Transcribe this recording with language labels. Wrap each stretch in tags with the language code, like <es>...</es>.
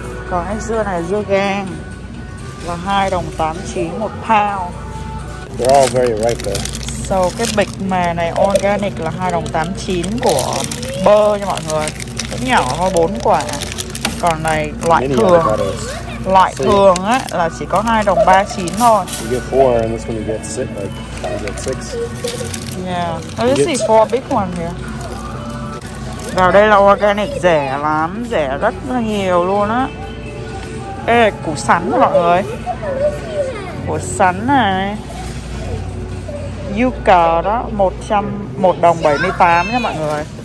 <vi>Còn cái dưa này, dưa gang là 2.89 đồng một pound.</vi> <en>They're all very ripe there.</en> <vi>So cái bịch mè này organic là 2.89 đồng của bơ nha mọi người. Cái nhỏ thôi, 4 quả. Còn này loại mini thường avocados. Loại so thường á là chỉ có 2 đồng 39 thôi.</vi> <en>You get 4 and this one you get 6, like, you get 6. Yeah, I just see 4 big ones here.</en> <vi>Vào đây là organic rẻ lắm, rẻ rất là nhiều luôn á. Ê, củ sắn mọi người. Củ sắn này. Yuca đó, 1 đồng 78 nha mọi người.</vi>